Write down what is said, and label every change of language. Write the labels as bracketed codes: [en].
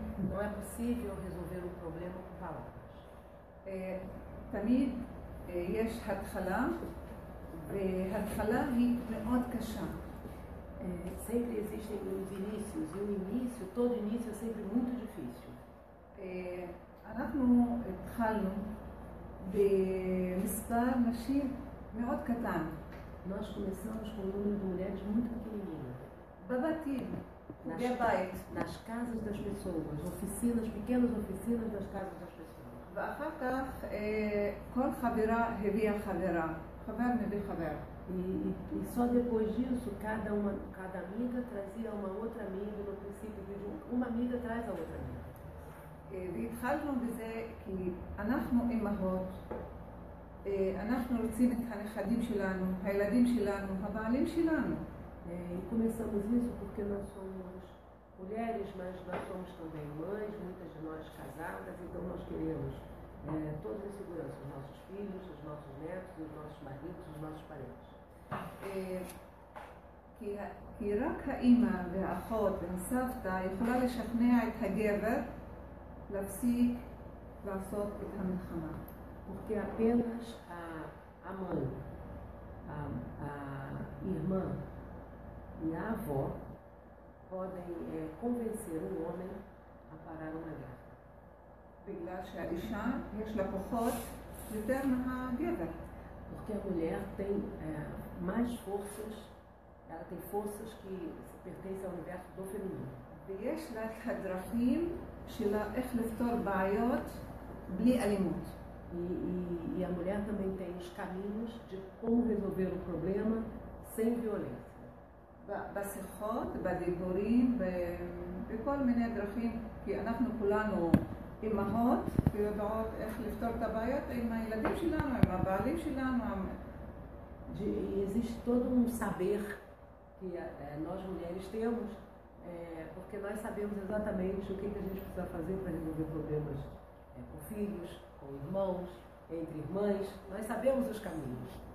[pt] Não é possível resolver o problema com palavras. [he] תמיד יש התחלה, וההתחלה היא מאוד קשה. [pt] Sempre existem os inícios, e o início, todo início é sempre muito difícil. [he] אנחנו התחלנו במספר נשים מאוד קטן. [pt] Nós começamos com um número de mulheres muito pequenininho. [he] בבתים, [pt] nas casas das pessoas, oficinas, pequenas oficinas das casas das pessoas. [he] ואחר כך, כל חברה הביאה חברה. חבר מביא חבר. [pt] E só depois disso, cada amiga trazia uma outra amiga, no princípio de uma amiga traz a outra amiga. [he] והתחלנו בזה כי אנחנו אימהות, אנחנו רוצים את הנכדים שלנו, הילדים שלנו, הבעלים שלנו. [pt] Começamos isso porque nós somos mulheres, mas nós somos também mães, muitas de nós casadas, então nós queremos todas as seguranças, os nossos filhos, os nossos netos, os nossos maridos, os nossos parentes. [he] כי רק האימא והאחות והסבתא יכולה לשכנע את הגבר להפסיק לעשות את המלחמה. [pt] Porque apenas a mãe, a irmã e a avó podem convencer o homem a parar uma guerra. [he] בגלל שהאישה יש לה כוחות יותר מהגבר. [pt] Porque a mulher tem mais forças, ela tem forças que pertencem ao universo do feminino. [he] ויש לה את הדרכים שלה איך לפתור בעיות בלי אלימות. [pt] E a mulher também tem os caminhos de como resolver o problema sem violência. [he] בשיחות, בדיבורים, בכל מיני דרכים, כי אנחנו כולנו אימהות ויודעות איך לפתור את הבעיות עם הילדים שלנו, עם הבעלים שלנו. [pt] Existe todo saber que nós mulheres temos, porque nós sabemos exatamente o que a gente precisa fazer para resolver problemas com filhos, com irmãos, entre irmãs, nós sabemos os caminhos.